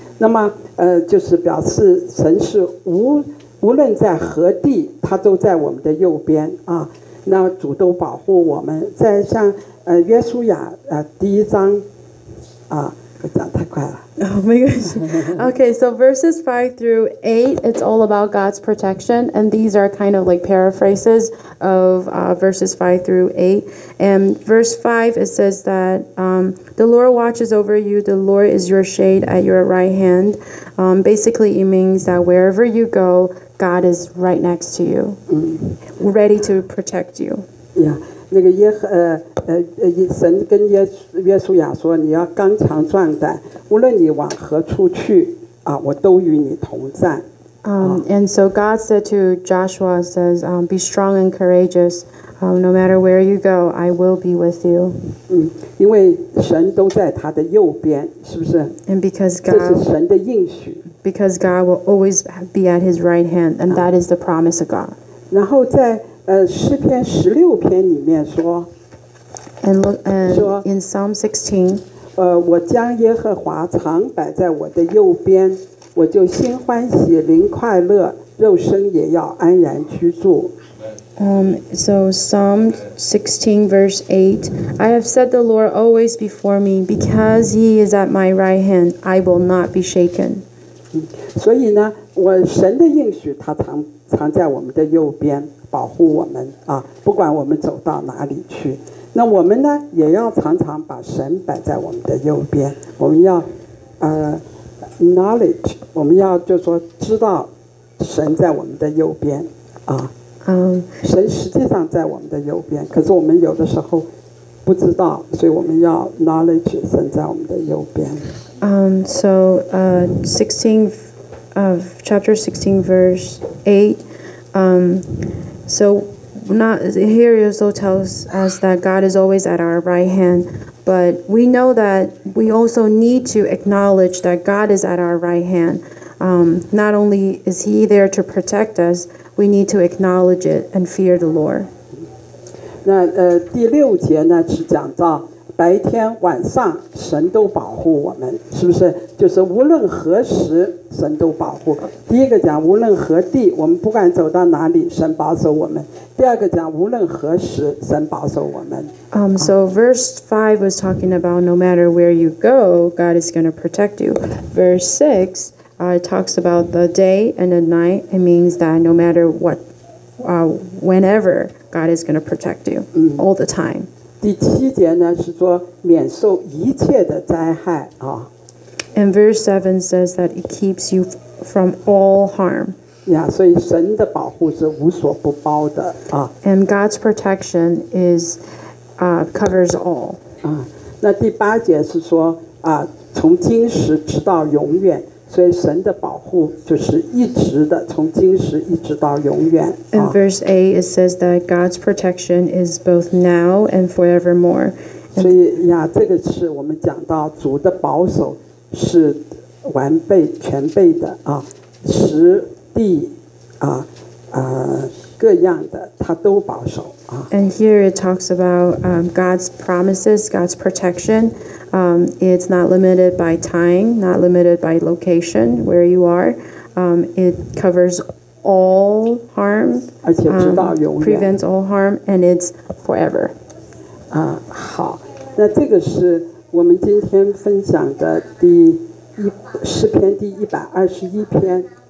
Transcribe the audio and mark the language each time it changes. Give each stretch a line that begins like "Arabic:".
Chinese: 那么就是表示神是无论在何地，他都在我们的右边啊。那主都保护我们，在像约书亚第一章啊。
English: Okay, so verses 5 through 8, it's all about God's protection, and these are kind of like paraphrases of verses 5 through 8. And verse 5, it says that the Lord watches over you, the Lord is your shade at your right hand. Basically, it means that wherever you go, God is right next to you, ready to protect you. Yeah.
Chinese: 那个神跟约书亚说，你要刚强壮胆，无论你往何处去啊，我都与你同在。
English: And so God said to Joshua, says, be strong and courageous. No matter where you go, I will be with you.
Chinese: 因为神都在他的右边，是不是
English: ？And because God,
Chinese: 这是神的应许。
English: Because God will always be at His right hand, and that is the promise of God.
Chinese: 然后在诗篇十六篇里面说
English: and look, in Psalm 16,
Chinese: 我将耶和华常摆在我的右边，我就心欢喜灵快乐，肉身也要安然居住。
English: So Psalm 16 verse 8, I have set the Lord always before me, because he is at my right hand, I will not be shaken.
Chinese: 所以呢，我神的应许他常在我们的右边保护我们啊，不管我们走到哪里去。那我们呢也要常常把神摆在我们的右边，我们要
English: knowledge，
Chinese: 我们要就说知道神在我们的右边啊。神实际上在我们的右边，可是我们有的时候不知道，所以我们要
English: knowledge
Chinese: 神在我们的右边。
English: So, 16 of chapter 16 verse 8. So, here he also tells us that God is always at our right hand, but we know that we also need to acknowledge that God is at our right hand. Not only is He there to protect us, we need to acknowledge it and fear the Lord.
Chinese: 那第六节呢是讲到白天晚上神都保护我们，是不是？就是无论何时神都保护。第一个讲无论何地，我们不管走到哪里，神保守我们。第二个讲无论何时神保守我们。
English: So verse 5 was talking about no matter where you go, God is going to protect you. Verse 6, it talks about the day and the night. It means that no matter what, whenever, God is going to protect you all the time.
Chinese: 第七节呢是说免受一切的灾害啊。
English: And verse 7 says that it keeps you from all harm. Yeah,
Chinese: 所以神的保护是无所不包的啊。
English: And God's protection is covers all.
Chinese: 啊，那第八节是说啊，从今时直到永远。所以神的保护就是一直的，从今时一直到永远。
English: In verse 8, it says that God's protection is both now and forevermore.
Chinese: 所以呀，这个是我们讲到主的保守是完备、全备的啊，时地啊啊各样的，他都保守啊。
English: And here it talks about God's promises, God's protection. It's not limited by time, not limited by location, where you are. It covers all harm, prevents all harm, and it's forever.
Chinese: 好，那这个是我们今天分享的第一诗篇第一百二十一篇。